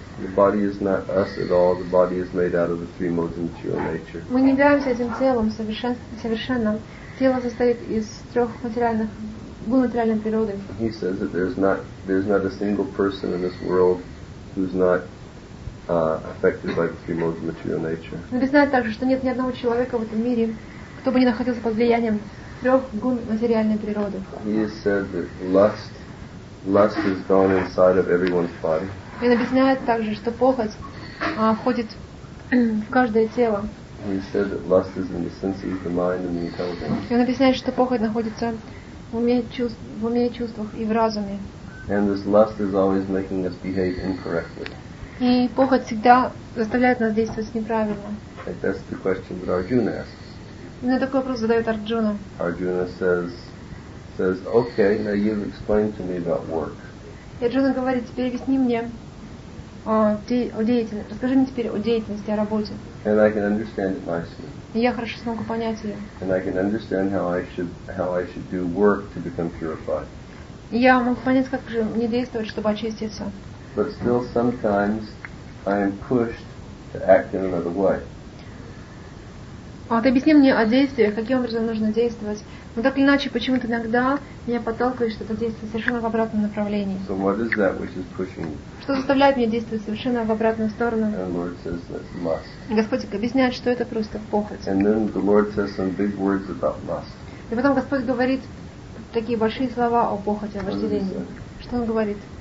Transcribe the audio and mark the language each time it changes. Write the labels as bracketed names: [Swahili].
[English] The body is not us at all. The body is made out of the three modes of material nature. [Russian] Мы не являемся этим телом совершенно. Тело состоит из трех материальных двух материальных природы. [English] He says that there's not a single person in this world who's not affected by the three modes of material nature. [Russian] Он объясняет также, что нет ни одного человека в этом мире, кто бы ни находился под влиянием трех гун материальной природы. [English] He said that lust is gone inside of everyone's body. [Russian] Он объясняет также, что похоть входит в каждое тело. [English] He said that lust is in the senses, the mind, and the intelligence. [Russian] Он объясняет, что похоть находится в уме, чувствах и в разуме. [English] And this lust is always making us behave incorrectly. [Russian] И похоть всегда заставляет нас действовать неправильно. [English] And that's the question that Arjuna asks. [Russian] Мне такой вопрос задает Арджуна. [English] Arjuna says, okay, now you've explained to me about work. [Russian] И Арджуна говорит, теперь объясни мне о деятельности. Расскажи мне теперь о деятельности, о работе. [English] And I can understand it nicely. [Russian] И я хорошо смогу понять ее. [English] And I can understand how I should do work to become purified. [Russian] И я могу понять, как же мне действовать, чтобы очиститься. [English] But still sometimes I am pushed to act in another way. [Russian] Вот объясни мне о действиях, каким образом нужно действовать. Но так или иначе, почему-то иногда меня подталкивает что-то действовать совершенно в обратном направлении. [English] So what is that which is pushing? [Russian] Что заставляет меня действовать совершенно в обратную сторону? [English] And the Lord says that's lust. [Russian] Господь объясняет, что это просто похоть. [English] And then the Lord says some big words about lust. [Russian] И потом Господь говорит такие большие слова о похоти, о вожделении. Что Он говорит?